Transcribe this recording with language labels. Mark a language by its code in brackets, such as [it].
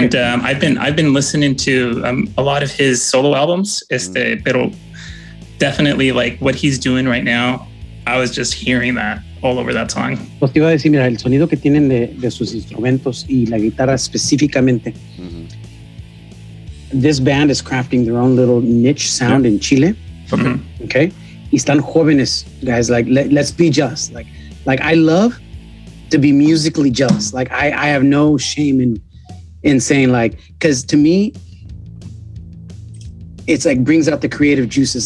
[en] And I've been listening to a lot of his solo albums, [es] pero [en] definitely like what he's doing right now, I was just hearing that all over that song. [es] Pues te iba a decir, mira, el sonido que tienen de sus instrumentos y la guitarra específicamente. Mm-hmm. [en] This band is crafting their own little niche sound in Chile. Mm-hmm. Okay. [es] Y están jóvenes, [en] guys. Like, let's be jealous. Like I love to be musically jealous. Like, I have no shame in saying, like, because to me, it's like brings out the creative juices.